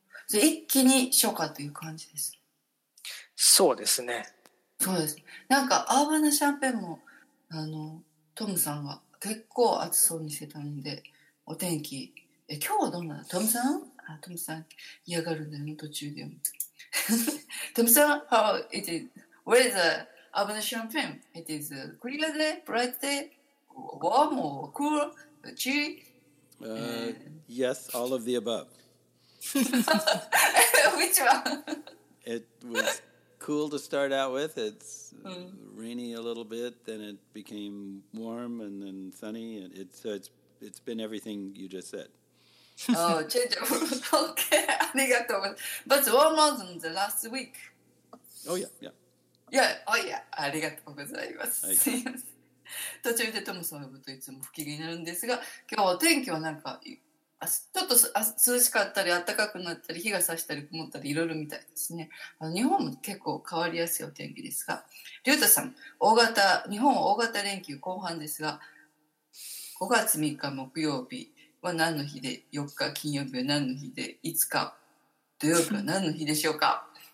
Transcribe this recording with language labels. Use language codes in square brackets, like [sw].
[ja] 一気に初夏という感じです。そうですね。そうです。なんかアーバナシャンペーンもトムさんが結構暑そうにしてたんで、お天気今日はどんなの？トムさん？あ、トムさん嫌がるんだよ、途中で。 [en] トムさん、how it is? Where is the Abana Champagne? It is clear day, bright day, warm or cool, chilly? Yes, all of the above. Which one? It was cool to start out with. It's rainy a little bit, then it became warm and then sunny. It's been everything you just said. Oh, change of okay. But warm more than the last week. Oh yeah, yeah. Yeah. Oh yeah. [ja] ありがとうございます。途中でトムさんを呼ぶといつも不機嫌になるんですが、今日は天気はなんかちょっと涼しかったり暖かくなったり、日が差したり曇ったりいろいろみたいですね。日本も結構変わりやすいお天気ですが、リュウタさん、日本は大型連休後半ですが、5月3日木曜日は何の日で、4日金曜日は何の日で、5日土曜日は何の日でしょうか。